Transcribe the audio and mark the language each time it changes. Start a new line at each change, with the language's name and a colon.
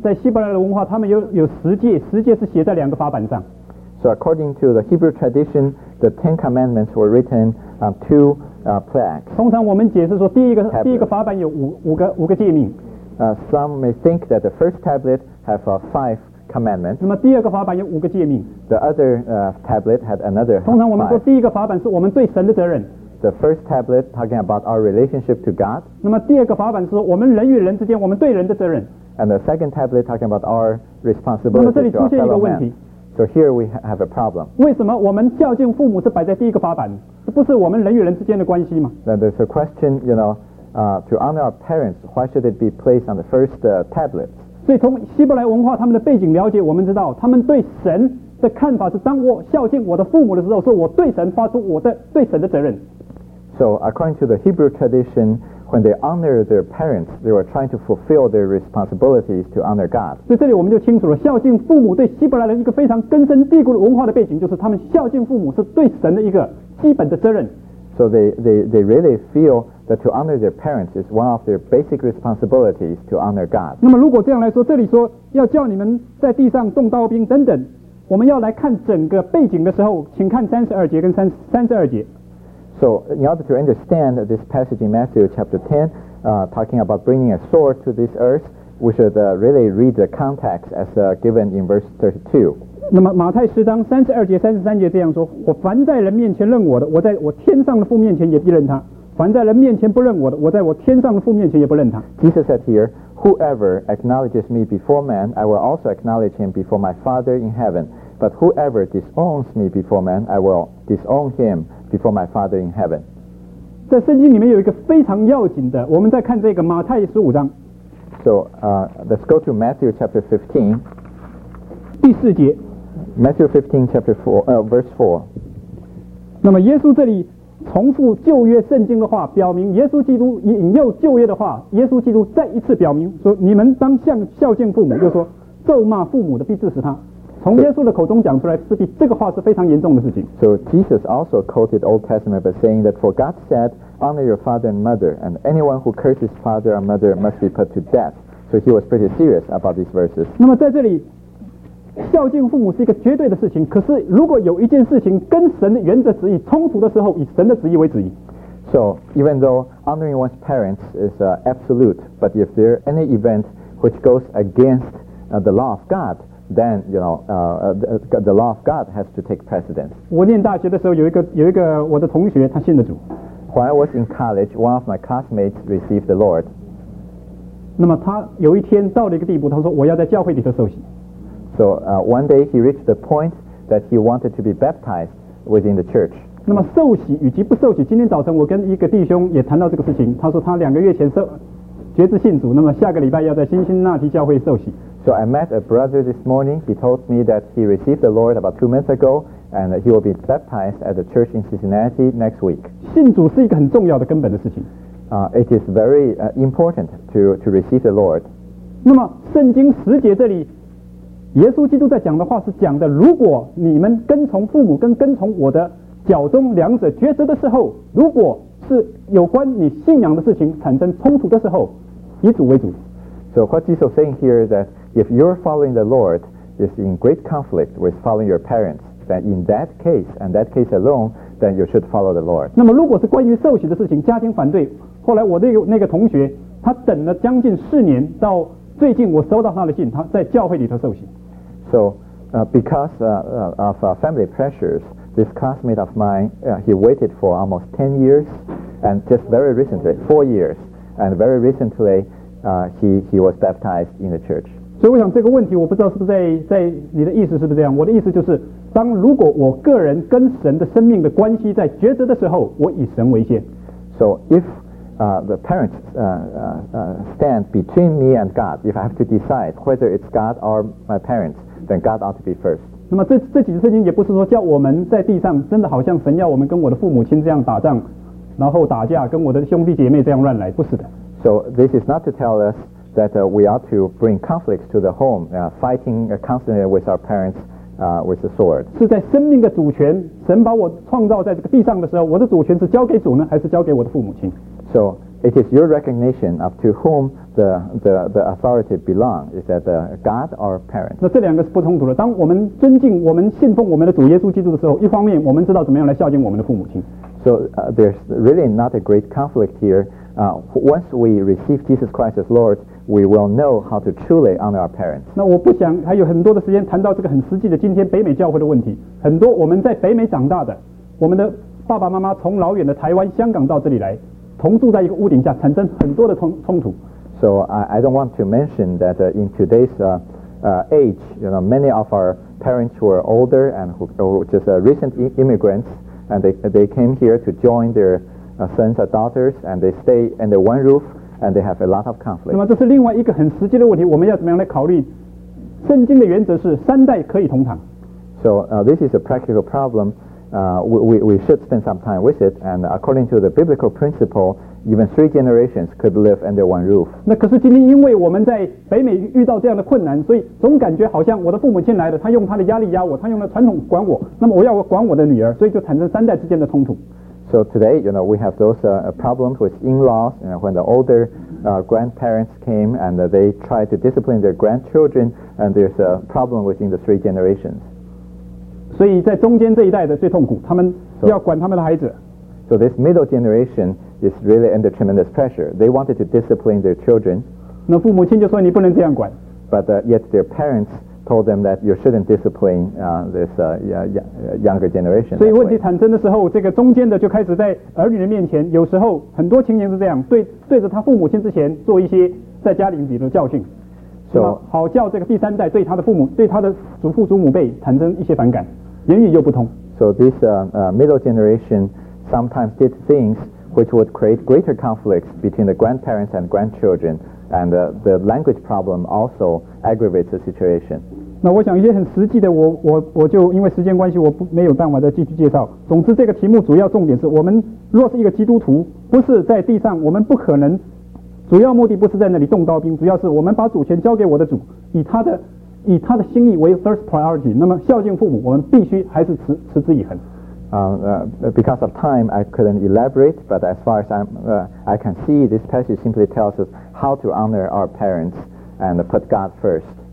Chinese: 在希伯来的文化，他们有十诫，十诫是写在两个法板上。
English: So according to the Hebrew tradition, the Ten Commandments were written on two plaques.
Chinese: 通常我们解释说第一个法板有五个诫命。
English: Some may think that the first tablet have five commandments.
Chinese: 那么第二个法板有五个诫命。
English: The other tablet had another five.
Chinese: 通常我们说第一个法板是我们对神的责任。
English: The first tablet talking about our relationship to God.
Chinese: 那么第二个法板是我们人与人之间我们对人的责任。
English: And the second tablet talking about our responsibility to our fellow man.
Chinese: 那么这里出现一个问题。
English: So here we have a problem.
Chinese: 为什么我们孝敬父母是摆在第一个法板？这不是我们人与人之间的关系吗？
English: Then there's a question, you know, to honor our parents, why should it be placed on the first tablet?
Chinese: 所以从希伯来文化他们的背景了解，我们知道他们对神的看法是：当我孝敬我的父母的时候，是我对神发出我的对神的责任。
English: So according to the Hebrew tradition, when they honor their parents, they were trying to fulfill their responsibilities to honor God.
Chinese: 所以这里我们就清楚了，孝敬父母对希伯来人一个非常根深蒂固的文化的背景，就是他们孝敬父母是对神的一个基本的责任。
English: So they really feel that to honor their parents is one of their basic responsibilities to honor God.
Chinese: 那么如果这样来说，这里说要叫你们在地上动刀兵等等，我们要来看整个背景的时候，请看32节跟32节。
English: So in order to understand this passage in Matthew chapter 10, talking about bringing a sword to this earth, we should really read the context as given in verse 32.
Chinese: 那么马太十章三十二节、三十三节这样说：我凡在人面前认我的，我在我天上的父面前也必认他；凡在人面前不认我的，我在我天上的父面前也不认他。
English: Jesus said here, whoever acknowledges me before man, I will also acknowledge him before my Father in heaven. But whoever disowns me before man, I will disown him. Before my Father in heaven.
Chinese: 在圣经里面有一个非常要紧的，我们在看这个马太十五章。
English: So, let's go to Matthew chapter 15.
Chinese: 第四节。
English: Matthew 15 chapter 4, verse 4.
Chinese: 那么耶稣这里重复旧约圣经的话，表明耶稣基督引诱旧约的话，耶稣基督再一次表明说，你们当向孝敬父母，又说咒骂父母的必致死他。从耶稣的口中讲出来，势必这个话是非常严重的事情。
English: So Jesus also quoted Old Testament by saying that for God said, honor your father and mother, and anyone who curses father or mother must be put to death. So he was pretty serious about these verses.
Chinese: 那么在这里，孝敬父母是一个绝对的事情。可是如果有一件事情跟神的原则旨意冲突的时候，以神的旨意为旨意。
English: So even though honoring one's parents is absolute, but if there any event which goes against the law of God,Then you know the law of God has to take precedence.
Chinese: 我念大学的时候，有一个我的同学，他信了主。
English: While I was in college, one of my classmates received the Lord.
Chinese: 那么他有一天到了一个地步，他说我要在教会里头受洗。
English: So one day he reached the point that he wanted to be baptized within the church.
Chinese: 那么受洗与其不受洗，今天早晨我跟一个弟兄也谈到这个事情，他说他两个月前决志信主，那么下个礼拜要在新辛那提教会受洗。
English: So I met a brother this morning. He told me that he received the Lord about 2 months ago and that he will be baptized at the church in Cincinnati next week.
Chinese: 信主是一个很重要的根本的事情。
English: It is very important to receive the Lord.
Chinese: 那么圣经十节这里耶稣基督在讲的话是讲的，如果你们跟从父母跟跟从我的脚中两者抉择的时候，如果是有关你信仰的事情产生冲突的时候，以主为主。
English: So what Jesus is saying here is that if you're following the Lord is in great conflict with following your parents, then in that case, and that case alone, then you should follow the Lord.
Chinese: 那么如果是关于受洗的事情，家庭反对，后来我的那个同学，他等了将近四年，到最近我收到他的信，他在教会里头受洗。
English: So because of family pressures, this classmate of mine, he waited for almost 10 years, and just very recently, 4 years, and very recently,he was baptized in the church.
Chinese: 所以我想这个问题我不知道是不是在你的意思是不是这样，我的意思就是当如果我个人跟神的生命的关系在抉择的时候，我以神为先。
English: So if the parents stand between me and God, if I have to decide whether it's God or my parents, then God ought to be first.
Chinese: 那么这几次圣经也不是说叫我们在地上真的好像神要我们跟我的父母亲这样打仗，然后打架跟我的兄弟姐妹这样乱来，不是的。
English: So this is not to tell us that we ought to bring conflicts to the home, fighting constantly with our parents with the sword.
Chinese: 是在生命的主权，神把我创造在这个地上的时候，我的主权是交给主呢，还是交给我的父母亲？
English: So it is your recognition of to whom the authority belongs. Is that God or parents?
Chinese: 那这两个是不冲突的。当我们尊敬、我们信奉我们的主耶稣基督的时候，一方面我们知道怎么样来孝敬我们的父母亲。
English: So there's really not a great conflict here. Once we receive Jesus Christ as Lord, we will know how to truly honor our parents.
Chinese: 那我不想还有很多的时间谈到这个很实际的今天北美教会的问题。很多我们在北美长大的，我们的爸爸妈妈从老远的台湾、香港到这里来，同住在一个屋顶下，产生很多的冲突。
English: So I don't want to mention that in today's age, you know, many of our parents who are older and who just recent immigrants. And they came here to join their sons or daughters, and they stay under one roof, and they have a lot of conflict.
Chinese: 那么这是另外一个很实际的问题，我们要怎么样来考虑？圣经的原则是三代可以同堂。
English: So this is a practical problem. We should spend some time with it. And according to the biblical principle, even three generations could live under one roof.
Chinese: 那可是今天因为我们在北美遇到这样的困难，所以总感觉好像我的父母亲来了，他用他的压力压我，他用了传统管我，那么我要管我的女儿，所以就产生三代之间的冲突。
English: So today, you know, we have those problems with in-laws, you know, when the older grandparents came and they tried to discipline their grandchildren, and there's a problem within the three generations.
Chinese: 所以在中间这一代的最痛苦，他们要管他们的孩子。
English: So this middle generation is really under tremendous pressure. They wanted to discipline their children.
Chinese: 那父母亲就说你不能这样管。
English: But yet their parents told them that you shouldn't discipline this younger generation.
Chinese: 所以问题产生的时候，这个中间的就开始在儿女的面前，有时候很多情形是这样，对着他父母亲之前做一些在家里比如教训，
English: so,
Chinese: 好叫这个第三代对他的父母、对他的祖父祖母辈产生一些反感，言语又不通。
English: So this middle generation. Sometimes did things which would create greater conflicts between the grandparents and grandchildren, and the language problem also aggravates the situation.
Chinese: 那我想一些很实际的，我就因为时间关系，我没有办法再继续介绍。总之，这个题目主要重点是我们若是一个基督徒，不是在地上，我们不可能。主要目的不是在那里动刀兵，主要是我们把主权交给我的主，以他的心意为
English: first priority。
Chinese: 那么孝敬父母，我们必须还是持之以恒。
English: Because of time, I couldn't elaborate, but as far as I can see, this passage simply tells us how to honor our parents and put God first.